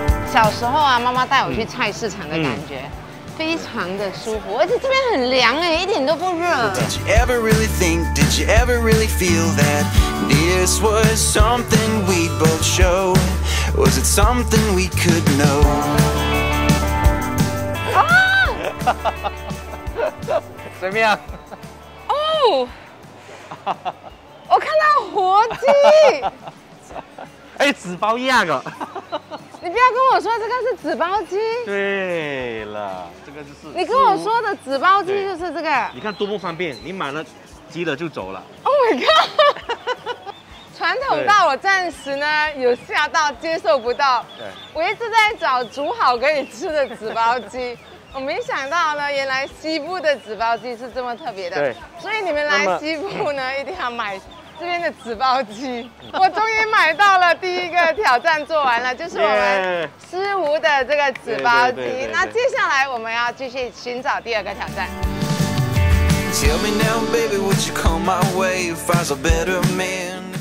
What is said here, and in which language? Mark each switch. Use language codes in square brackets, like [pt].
[zh] 小时候啊，妈妈带我去菜市场的感觉、非常的舒服，而且这边很凉哎，一点都不热。 [en] Did you ever really think, did you ever really feel that this was something we'd both show? Was it something we could know? [zh] 啊！怎么样？哦！我看到活鸡。哎，纸包鸭个。你不要跟我说这个是纸包鸡。对了，这个就是你跟我说的纸包鸡，就是这个。你看多不方便，你买了鸡了就走了。 [en] Oh my god！ [zh] 传统到我暂时呢有吓到接受不到，对，我一直在找煮好可以吃的纸包鸡，我没想到呢原来西部的纸包鸡是这么特别的，对，所以你们来西部呢一定要买这边的纸包鸡。我终于买到了，第一个挑战做完了，就是我们师傅的这个纸包鸡。那接下来我们要继续寻找第二个挑战。 [en] Tell me now, baby, would you come my way if I was a better man?